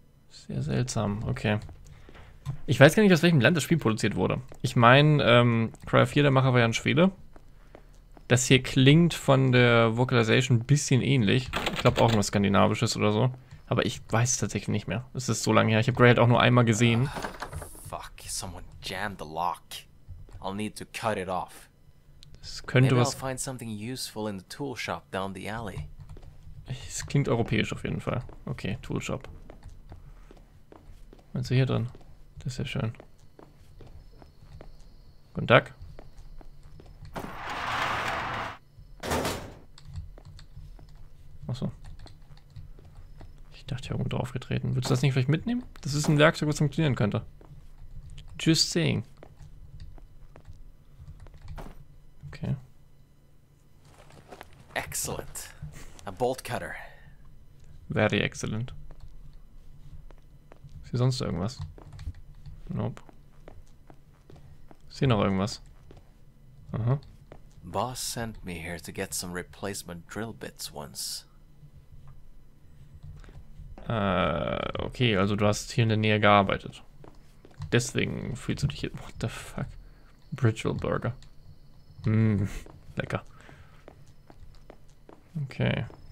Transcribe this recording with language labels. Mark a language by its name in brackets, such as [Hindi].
[German] Sehr seltsam, okay. Ich weiß gar nicht, aus welchem Land das Spiel produziert wurde. Ich meine, Cry of Fear, der Macher war ja ein Schwede. Das hier klingt von der Vocalization ein bisschen ähnlich. Ich glaube auch irgendwas Skandinavisches oder so. Aber ich weiß es tatsächlich nicht mehr. Es ist so lange her. Ich habe Greyhead auch nur einmal gesehen. [English] Fuck, someone jammed the lock. I'll need to cut it off. [German] Das könnte was. [English] I'll find something useful in the tool shop down the alley. [German] Es klingt europäisch auf jeden Fall. [English] Okay, Tool Shop. [German] Meinst du hier drin? Das ist ja schön. Guten Tag. Achso. Ich dachte, ich habe irgendwo draufgetreten. Würdest du das nicht vielleicht mitnehmen? Das ist ein Werkzeug, was funktionieren könnte. [English] Just saying. Okay. Excellent. A bolt cutter. Very excellent. [German] Ist hier sonst irgendwas? Nope. Ist hier noch irgendwas? Aha. [English] Boss sent me here to get some replacement drill bits once. [German] Okay, also du hast hier in der Nähe gearbeitet. Deswegen fühlst du dich hier. [English] What the fuck? Bridgel Burger. Mmm, [German] lecker. Okay.